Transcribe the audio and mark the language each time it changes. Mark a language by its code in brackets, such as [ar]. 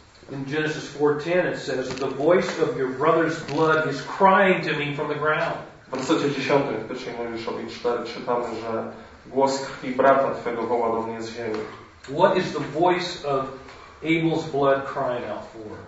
[en] In Genesis 4:10 it says, the voice of your brother's blood is crying to me from the ground. [pl] W wersecie 10, w pierwszej Mojżeszowi 4, czytamy, że głos krwi brata twego woła do mnie z ziemi. [en] What is the voice of Abel's blood crying out for?